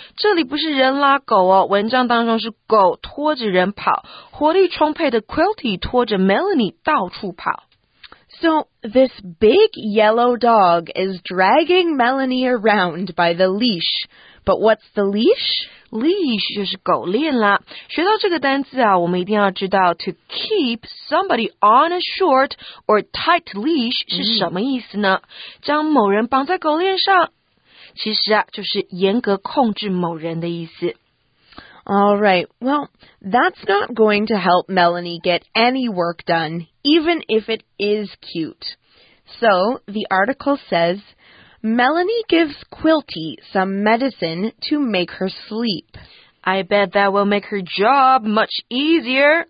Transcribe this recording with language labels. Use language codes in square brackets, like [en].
[zh] 这里不是人拉狗哦，文章当中是狗拖着人跑。活力充沛的 Quilty 拖着 Melanie 到处跑。 [en] So, this big yellow dog is dragging Melanie around by the leash. But what's the leash? [zh] Leash 就是狗链啦。学到这个单词啊，我们一定要知道 [en] to keep somebody on a short or tight leash [zh] 是什么意思呢？将某人绑在狗链上，其实啊，就是严格控制某人的意思。 [en] All right, well, that's not going to help Melanie get any work done, even if it is cute. So, the article says... Melanie gives Quilty some medicine to make her sleep. I bet that will make her job much easier.